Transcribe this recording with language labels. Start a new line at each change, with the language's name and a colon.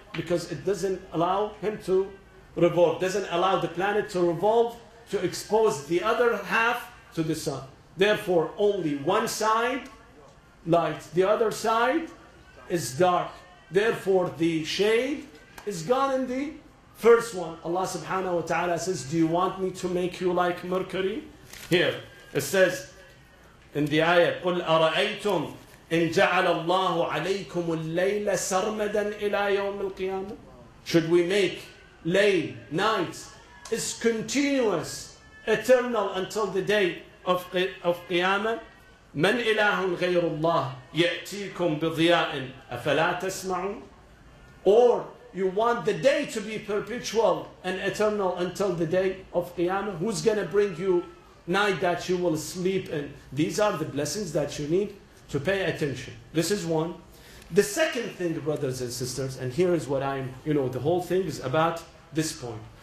English: Because it doesn't allow him to revolve. Doesn't allow the planet to revolve to expose the other half to the sun. Therefore, only one side light. The other side is dark. Therefore, the shade is gone in the first one. Allah subhanahu wa ta'ala says, do you want me to make you like Mercury? Here, it says in the ayah,
Arabic: قُلْ أَرَأَيْتُمْ إِنْ جَعَلَ اللَّهُ عَلَيْكُمُ اللَّيْلَ سَرْمَدًا إِلَى يَوْمِ الْقِيَامَةِ.
English: Should we make layl, night, is continuous, eternal until the day of Qiyamah?
Arabic: من إله غير الله يأتيكم بضياء أفلا تسمعون.
English: Or you want the day to be perpetual and eternal until the day of Qiyamah. Who's going to bring you night that you will sleep in? These are the blessings that you need to pay attention. This is one. The second thing, brothers and sisters, and here is what I'm, you know, the whole thing is about this point.